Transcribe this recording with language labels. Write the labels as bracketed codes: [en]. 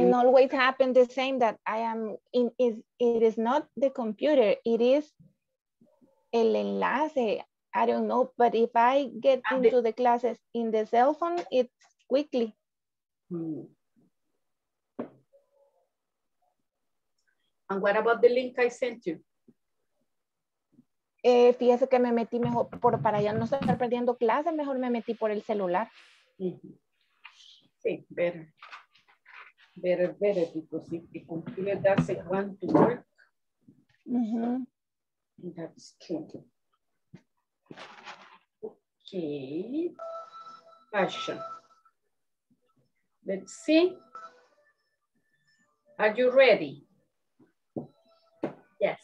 [en] And always happened the same that I am in, it is not the computer, it is el enlace. I don't know, but if I get and into the classes in the cell phone, it's quickly. And what about the link I sent you? [es] Fíjese que me metí mejor por, para ya no estar perdiendo clases, mejor me metí por el celular. [en] Sí, better, because if the computer doesn't want to work, mm-hmm. That's true. Okay, Pasha, let's see, are you ready? Yes.